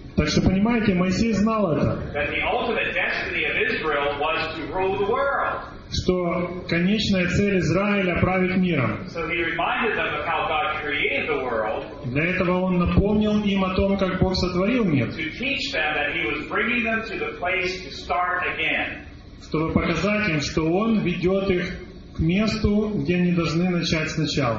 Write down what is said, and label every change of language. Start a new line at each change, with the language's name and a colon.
Russian: Так что понимаете, Моисей знал это.
English: That the ultimate destiny of Israel was to rule the world.
Russian: Что конечная цель Израиля править миром.
English: So he reminded them of how God created the world.
Russian: Для этого он напомнил им о том, как Бог сотворил мир.
English: To teach them that he was bringing them to the place to start again.
Russian: Чтобы показать им, что он ведет их к месту, где они должны начать сначала.